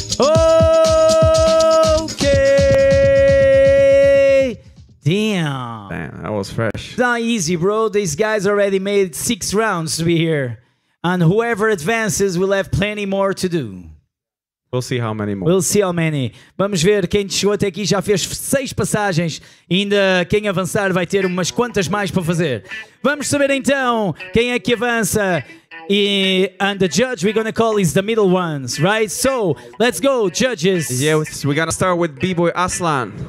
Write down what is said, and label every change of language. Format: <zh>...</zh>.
<en>Okay, damn. Damn, that was fresh. Not easy, bro. These guys already made 6 rounds to be here. And whoever advances will have plenty more to do. We'll see how many more. We'll see how many.</en> <pt>Vamos ver quem chegou até aqui já fez 6 passagens. Ainda quem avançar vai ter umas quantas mais para fazer. Vamos saber então quem é que avança.</pt> <en>And the judge we're going to call is the middle ones, right? So, let's go, judges. Yeah, we're going to start with B-Boy Aslan.</en>